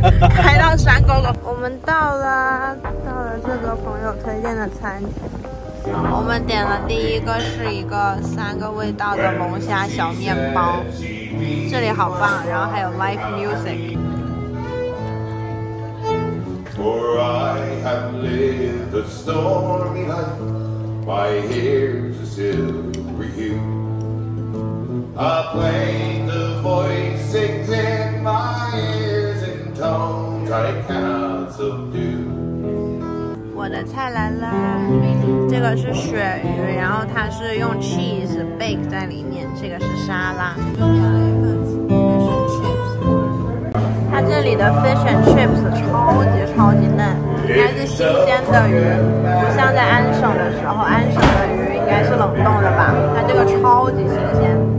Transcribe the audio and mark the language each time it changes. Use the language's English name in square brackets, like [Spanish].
[Chinese] 开到山沟沟，我们到了这个朋友推荐的餐厅。我们点了第一个是一个三个味道的龙虾小面包，这里好棒，然后还有 live music。 [English] For I have lived a stormy life, my hair's a silver hue. I played the voices in my ears in tones I cannot subdue. [Chinese] 我的菜来啦，这个是鳕鱼，然后它是用 cheese bake 在里面，这个是沙拉。它这里的 fish and chips 超级嫩，应该是新鲜的鱼，不像在安省的时候，安省的鱼应该是冷冻的吧，它这个超级新鲜。